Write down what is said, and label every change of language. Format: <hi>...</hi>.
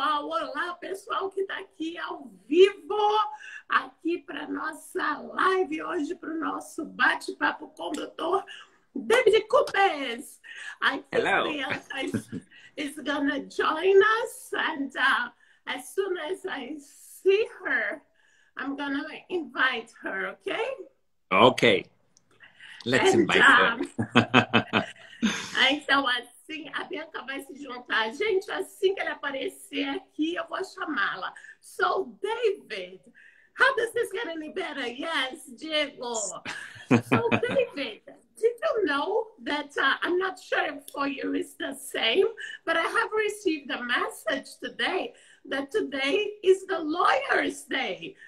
<pt>olá, pessoal que está aqui ao vivo, aqui para nossa live hoje, para o nosso bate-papo com o Dr.</pt> <en>David Kubess. I think Hello. Leon is gonna join us, and as soon as I see her, I'm gonna invite her, okay? Okay, let's And invite her.</en> <pt>então, assim, a Bianca vai se juntar a gente. Assim que ela aparecer aqui, eu vou chamá-la.</pt> <en>So, David, how does this get any better? Yes, Diego. So, David, did you know that I'm not sure if for you it's the same, but I have received a message today that today is the Lawyer's Day.</en>